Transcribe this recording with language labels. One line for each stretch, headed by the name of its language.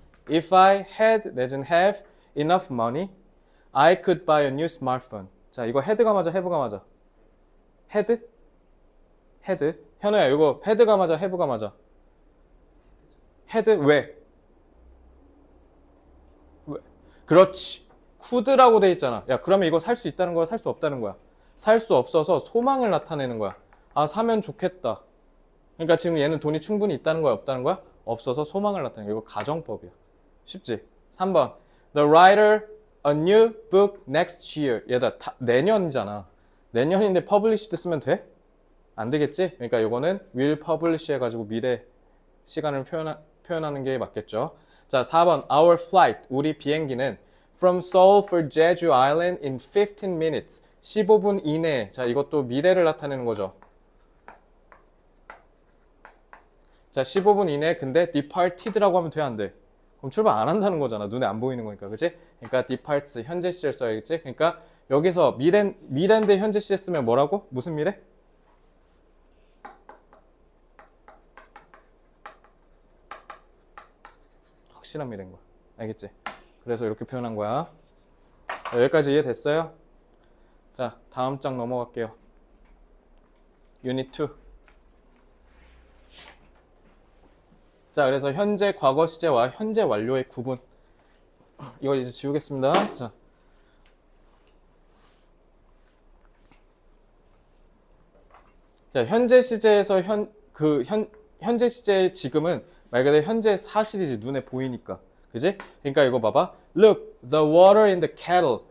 English: If I had
Korean: 내지는
English: have enough money, I could buy a new smartphone.
Korean: 자, 이거
English: head가 맞아, have가 맞아? head? head?
Korean: 현우야, 이거 헤드가 맞아, 헤브가 맞아? 헤드? 왜? 그렇지. 쿠드라고 돼 있잖아. 야, 그러면 이거 살수 있다는 거야, 살수 없다는 거야? 살수 없어서 소망을 나타내는 거야. 아, 사면 좋겠다. 그러니까 지금 얘는 돈이 충분히 있다는 거야, 없다는 거야? 없어서 소망을 나타내는 거야. 이거 가정법이야. 쉽지? 3번.
English: The writer a new book next year.
Korean: 얘다, 내년이잖아. 내년인데 published 쓰면 돼? 안 되겠지? 그러니까 요거는
English: will publish
Korean: 해가지고 미래 시간을 표현하는 게 맞겠죠? 자, 4번.
English: Our flight.
Korean: 우리 비행기는
English: from Seoul for Jeju Island in 15 minutes.
Korean: 15분 이내에. 자, 이것도 미래를 나타내는 거죠. 자, 15분 이내에. 근데 departed라고 하면 돼? 안 돼? 그럼 출발 안 한다는 거잖아. 눈에 안 보이는 거니까. 그치? 그러니까 departs. 현재 시제를 써야겠지? 그러니까 여기서 미래인데 현재 시제 쓰면 뭐라고? 무슨 미래? 확실한 미래인 거야. 알겠지? 그래서 이렇게 표현한 거야. 자, 여기까지 이해됐어요? 자, 다음 장 넘어갈게요. 유닛 2. 자, 그래서 현재 과거 시제와 현재 완료의 구분. 이걸 이제 지우겠습니다. 자. 자, 현재 시제에서 현재 시제의 지금은 말 그대로 현재 사실이지, 눈에 보이니까. 그지? 그러니까 이거 봐봐.
English: Look, the water in the kettle.